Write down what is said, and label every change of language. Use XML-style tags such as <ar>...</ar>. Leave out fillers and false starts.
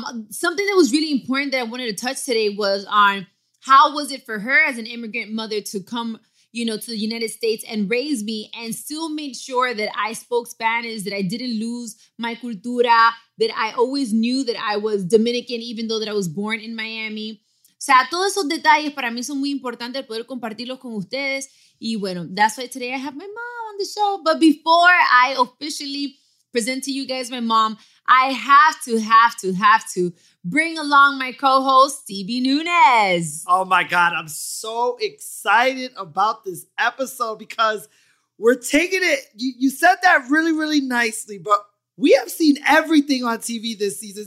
<en>Something that was really important that I wanted to touch today was on how was it for her as an immigrant mother to come, you know, to the United States and raise me and still make sure that I spoke Spanish, that I didn't lose my cultura, that I always knew that I was Dominican, even though that I was born in Miami.</en> <es>O sea, todos esos detalles para mí son muy importantes poder compartirlos con ustedes. Y bueno,</es> <en>that's why today I have my mom on the show. But before I officially present to you guys my mom, I have to bring along my co-host, Stevie Nunez. Oh my God, I'm so excited about this episode because we're taking it, you said that really, really nicely, but we have seen everything on TV this season.</en>